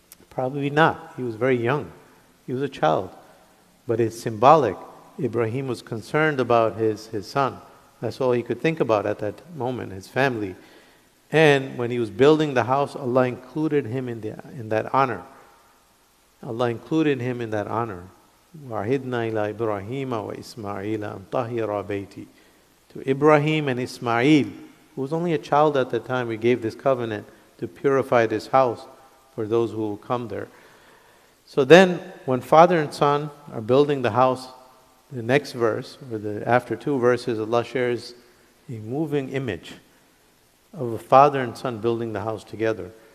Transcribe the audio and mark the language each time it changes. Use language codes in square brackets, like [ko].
[en] Probably not. He was very young. He was a child. But it's symbolic. Ibrahim was concerned about his son. That's all he could think about at that moment, his family. And when he was building the house, Allah included him in that honor. Allah included him in that honor. [ar] وَعَهِدْنَا إِلَىٰ إِبْرَاهِيمَ وَإِسْمَعِيلَ أَنْ طَهِرَ بَيْتِي. [en] To Ibrahim and Ismail, who was only a child at the time, we gave this covenant to purify this house for those who will come there. So then, when father and son are building the house, the next verse, or the after two verses, Allah shares a moving image of a father and son building the house together.